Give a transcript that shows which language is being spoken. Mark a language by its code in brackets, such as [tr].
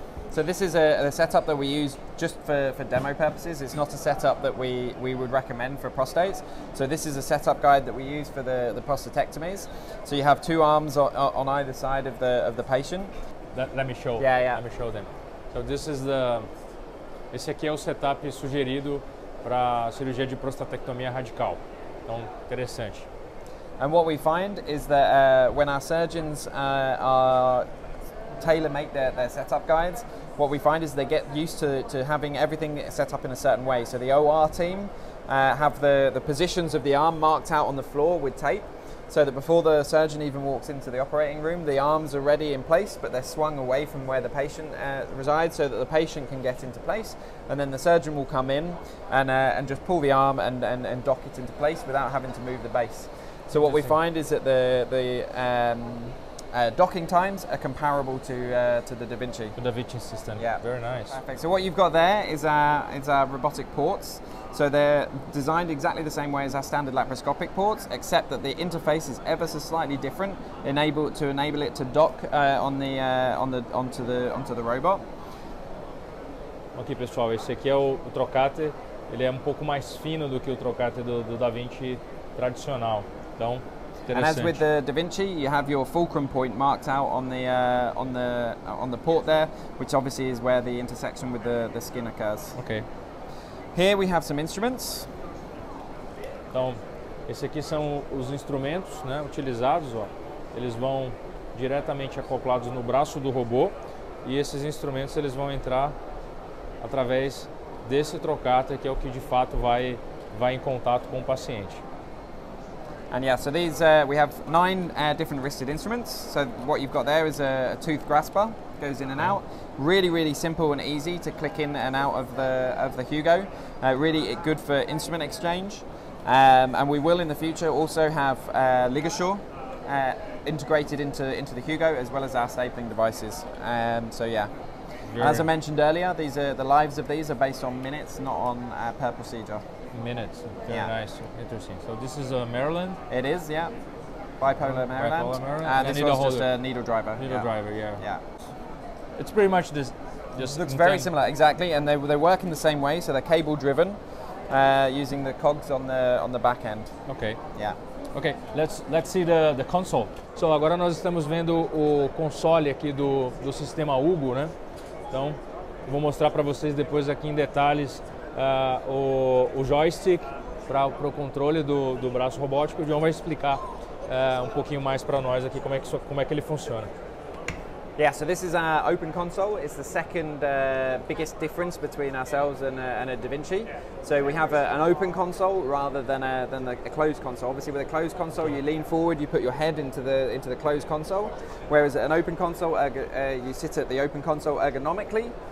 [en] So this is a setup that we use just for demo purposes. It's not a setup that we would recommend for prostates. So this is a setup guide that we use for the prostatectomies. So you have two arms on either side of the patient. Let me show. Yeah, yeah. Let me show them. So this is the... [pt] Esse aqui é o setup sugerido para cirurgia de prostatectomia radical. Então, interessante. [en] And what we find is that when our surgeons tailor-make their setup guides, what we find is they get used to having everything set up in a certain way. So the OR team have the positions of the arm marked out on the floor with tape, so that before the surgeon even walks into the operating room, the arms are ready in place, but they're swung away from where the patient resides so that the patient can get into place. And then the surgeon will come in and just pull the arm and dock it into place without having to move the base. So what we find is that the docking times are comparable to the Da Vinci. The Da Vinci system. Yeah. Very nice. Perfect. So what you've got there is our robotic ports. So they're designed exactly the same way as our standard laparoscopic ports, except that the interface is ever so slightly different, enable it to dock onto the robot. [pt] Aqui, pessoal, esse aqui é o trocater. Ele é um pouco mais fino do que o trocater do Da Vinci tradicional. Então, [en] and as with the Da Vinci, you have your fulcrum point marked out on the port there, which obviously is where the intersection with the skin occurs. Okay. Here we have some instruments. [pt] Então, esses aqui são os instrumentos, né, utilizados, ó. Eles vão diretamente acoplados no braço do robô, e esses instrumentos eles vão entrar através desse trocater, que é o que de fato vai em contato com o paciente. [en] And yeah, so these we have 9 different wristed instruments. So what you've got there is a tooth grasper, goes in and out. Really, really simple and easy to click in and out of the Hugo. Really good for instrument exchange. And we will in the future also have Ligasure integrated into the Hugo, as well as our stapling devices. So yeah. Very. As I mentioned earlier, these are the lives of these are based on minutes, not on per procedure. Minutes. Very nice. Interesting. So this is Maryland? It is, yeah. Bipolar Maryland. Bipolar Maryland. This was just a needle driver. Needle driver, yeah. It's pretty much this. Just looks very similar, exactly. And they work in the same way, so they're cable driven, using the cogs on the back end. Okay. Yeah. Okay, let's see the console. [pt] So agora nós estamos vendo o console aqui do sistema Hugo, né? Então, vou mostrar para vocês depois aqui em detalhes o joystick para o controle do braço robótico. O João vai explicar um pouquinho mais para nós aqui como é que ele funciona. [en] Yeah, so this is our open console. It's the second biggest difference between ourselves and a DaVinci. So we have an open console rather than a closed console. Obviously, with a closed console, you lean forward, you put your head into the closed console. Whereas an open console, you sit at the open console ergonomically.